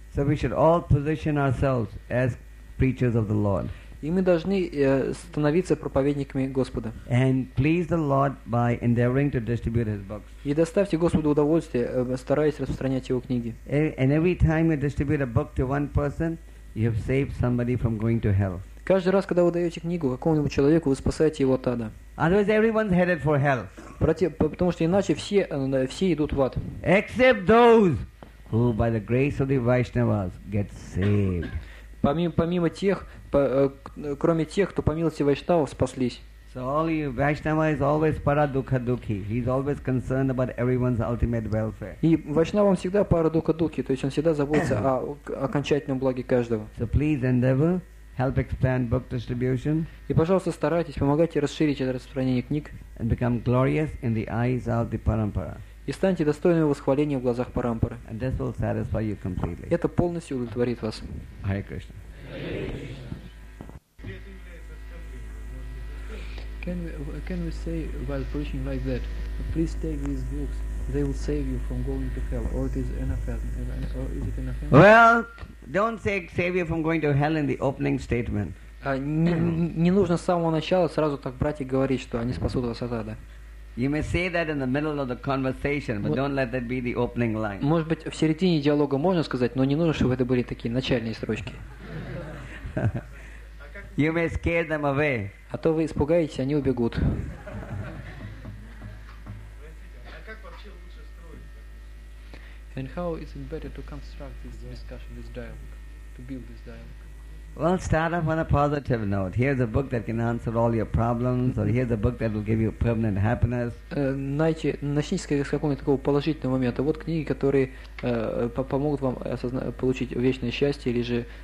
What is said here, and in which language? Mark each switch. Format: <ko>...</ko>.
<en>So we should all position ourselves as preachers of the Lord.</en> <ru>И мы должны становиться проповедниками Господа.</ru> <en>And please the Lord by endeavoring to distribute his books.</en> <ru>И доставьте Господу удовольствие, стараясь распространять его книги.</ru> <en>And every time you distribute a book to one person, you have saved somebody from going to hell.</en> <ru>Каждый раз, когда вы даете книгу какому-нибудь человеку, вы спасаете его от ада.</ru> <en>Otherwise, everyone's headed for hell.</en> <ru>Потому что иначе все идут в ад.</ru> <en>Except those who, by the grace of the Vaishnavas, get saved.</en> <ru>Кроме тех, кто по милости Вайшнавов спаслись.</ru> <en>So all you Vaishnava is always paradukha-dukhi. He's always concerned about everyone's ultimate welfare.</en> <ru>И Вайшнава всегда парадукха-дукхи, то есть он всегда заботится о окончательном благе каждого.</ru> <en>So please endeavor. Help expand book distribution.</en> <ru>И, пожалуйста, старайтесь, помогайте расширить это распространение книг.</ru> <en>And become glorious in the eyes of the parampara.</en> <ru>И станьте достойными восхваления в глазах парампары.</ru> <en>And this will satisfy you completely.</en> <ru>Это полностью удовлетворит вас.</ru> <en>Hare Krishna. Hare Krishna. Can we say while preaching like that, please take these books, they will save you from going to hell, or it is an offense? Well, don't say save you from going to hell in the opening statement.</en> <ru>Не нужно с самого начала сразу так брать и говорить, что они спасут вас от ада.</ru> <en>You may say that in the middle of the conversation, but don't let that be the opening line.</en> <ru>Может быть, в середине диалога можно сказать, но не нужно, чтобы это были такие начальные строчки.</ru> <en>You may scare them away.</en> <ru>А то вы испугаетесь, они убегут.</ru> <en>And how is it better to construct this discussion, this dialogue, to build this dialogue? Well, start off on a positive note. Here's a book that can answer all your problems, or here's a book that will give you permanent happiness.</en> <ru>Начните с какого-нибудь такого положительного момента. Вот книги, которые помогут вам получить вечное счастье, или же...</ru>